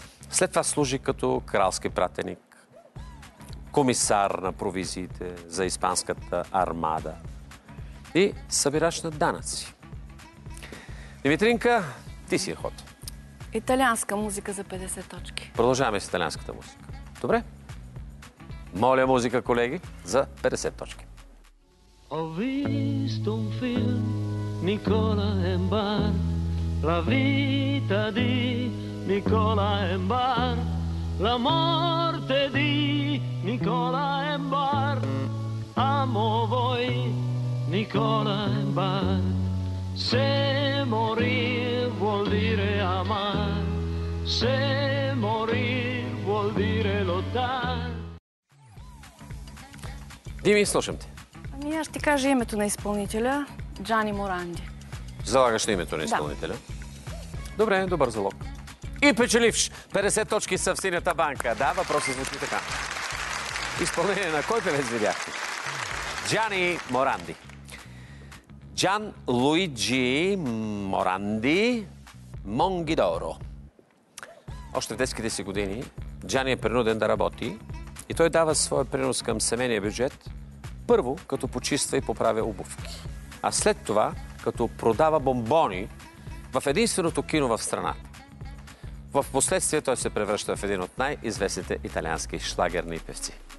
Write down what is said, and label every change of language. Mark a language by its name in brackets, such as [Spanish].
[Bulgarian] След това служи като кралски пратеник, комисар на провизиите за испанската армада и събираш на данъци. Димитринка, ти си ход. Италианска музика за 50 точки. Продължаваме с италианската музика. Добре. Моля музика, колеги, за 50 точки. [Italian] Ho visto un film, Nicola Embar, la vita di Nicola Embar, la morte di Nicola Embar. Amo voi, Nicola Embar, se morir vuol dire amar, se morir vuol dire lottar. Dimmi, slušam te. [Bulgarian] И аз ти кажа името на изпълнителя, Джани Моранди. Залагаш ли името на изпълнителя? Да. Добре, добър залог. И печеливш 50 точки са в синята банка. Да, въпросът звучи така. Изпълнение на кой певец видяхте? Джани Моранди. Джан Луиджи Моранди Монгидоро. Още в детските си години Джани е принуден да работи и той дава своя принос към семейния бюджет. Първо, като почиства и поправя обувки. А след това, като продава бомбони в единственото кино в страната. В последствие той се превръща в един от най-известните италиански шлагерни певци.